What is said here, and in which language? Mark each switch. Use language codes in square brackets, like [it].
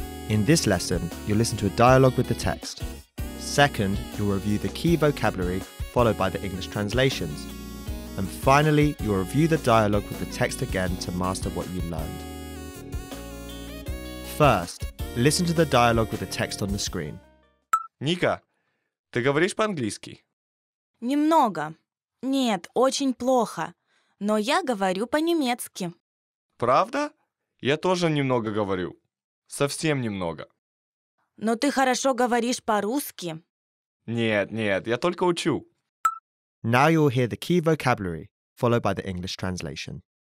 [en] In this lesson, you'll listen to a dialogue with the text. Second, you'll review the key vocabulary followed by the English translations. And finally, you'll review the dialogue with the text again to master what you learned. First, listen to the dialogue with the text on the screen. [ru] Ника, ты говоришь по-английски? Немного. Нет, очень плохо. Но я говорю по-немецки. Правда? Я тоже немного говорю. Совсем немного. Но ты хорошо говоришь по-русски. Нет, нет, я только учу. [en] Now you'll hear the key vocabulary, followed by the English translation.